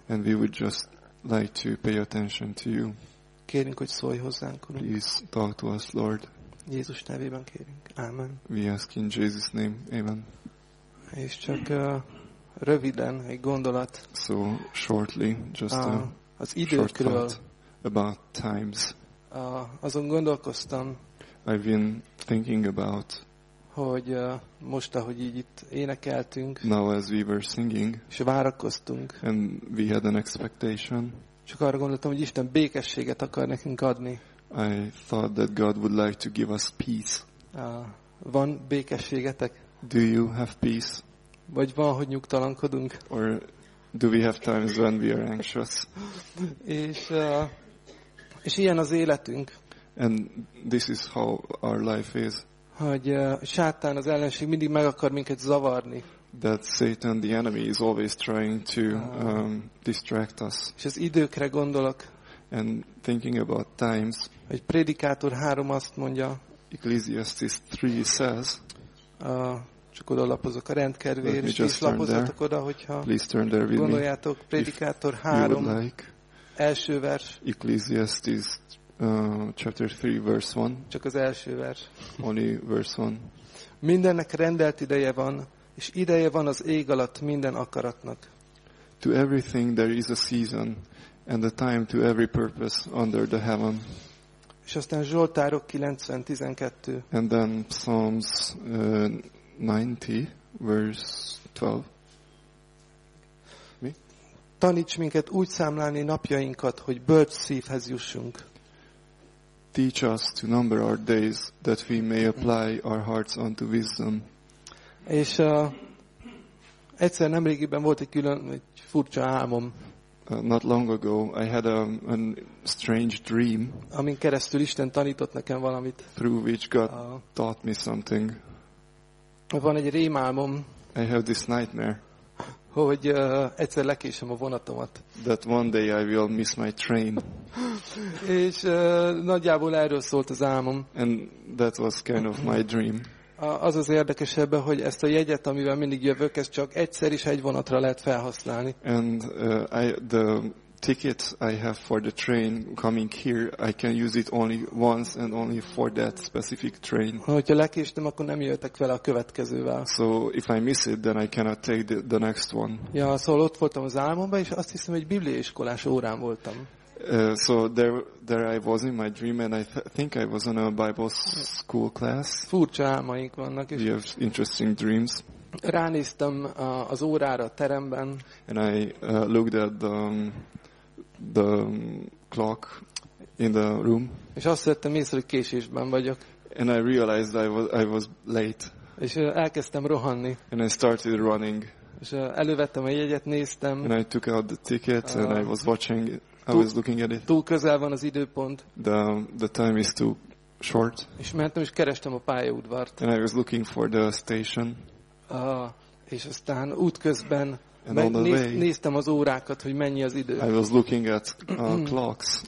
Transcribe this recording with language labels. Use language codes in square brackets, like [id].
[en] And we would just like to pay attention to you. [hu] Kérünk, hogy szólj hozzánk, Urunk. [en] Please talk to us, Lord. [hu] Jézus nevében kérünk. Amen. [en] We ask in Jesus' name. Amen. [hu] És csak röviden egy gondolat. [en] So, shortly, just [hu] az időkről. [en] About times. [hu] Azon gondolkoztam. [en] I've been thinking about. [hu] Hogy most, ahogy így itt énekeltünk. [en] Now, as we were singing. [hu] És várakoztunk. [en] And we had an expectation. [hu] Csak arra gondoltam, hogy Isten békességet akar nekünk adni. [en] I thought that God would like to give us peace. [hu] Van békességetek? [en] Do you have peace? [hu] Vagy van, hogy nyugtalankodunk? [en] Or do we have times when we are anxious? [hu] és ilyen az életünk. [en] And this is how our life is. [hu] Hogy Sátán, az ellenség mindig meg akar minket zavarni. [en] That Satan, the enemy, is always trying to distract us. [hu] És az időkre gondolok. [en] And thinking about times. [hu] Egy prédikátor 3 azt mondja. [en] Ecclesiastes 3 says. [hu] Csak oda lapozok a rendkedvére, és is lapozatok oda, hogyha [en] turn there with [hu] gondoljátok. Prédikátor 3, első vers. [en] Ecclesiastes chapter 3, verse 1. [hu] Csak az első vers. [en] Only verse 1. [hu] Mindennek rendelt ideje van. És ideje van az ég alatt minden akaratnak. [en] To everything there is a season and a time to every purpose under the heaven. [hu] És aztán Zsoltárok 90:12. [en] And then Psalms 90:12. [hu] Mi? Taníts minket úgy számlálni napjainkat, hogy bölcs szívhez jussunk. [en] Teach us to number our days that we may apply our hearts unto wisdom. [hu] És egyszer nemrégiben volt egy külön, egy furcsa álmom. [en] Not long ago, I had a strange dream. [hu] Amin keresztül Isten tanított nekem valamit. [en] Through which God taught me something. [hu] Van egy rémálmom. [en] I have this nightmare. [hu] Hogy egyszer lekésem a vonatomat. [en] That one day I will miss my train. [hu] És nagyjából erről szólt az álmom. [en] And that was kind of my dream. [hu] Az az érdekesebb, hogy ezt a jegyet, amivel mindig jövök, ezt csak egyszer is egy vonatra lehet felhasználni. [en] And the ticket I have for the train coming here, I can use it only once and only for that specific train. [hu] Hogyha lekéstem, akkor nem jöhetek vele a következővel. [en] So if I miss it, then I cannot take the next one. [hu] Ja, szóval ott voltam az álmomban, és azt hiszem, hogy bibliaiskolás órán voltam. [en] So there I was in my dream and I think I was on a Bible school class. [hu] Furcsa álmaink vannak, [en] we have interesting dreams. [hu] Ránéztem az órára a teremben. [en] And I looked at the clock in the room. [hu] És azt vettem észre, hogy késésben vagyok. [en] And I realized I was late. [hu] És elkezdtem rohanni. [en] And I started running. [hu] És elővettem a jegyet, néztem. [en] And I took out the ticket and I was watching it. I was looking at it. [hu] Túl közel van az időpont. [en] The time is too short. [hu] És mentem és kerestem a pályaudvart. [en] And I was looking for the station. [hu] És aztán útközben megnéztem az órákat, hogy mennyi az idő. [en] I was looking at clocks.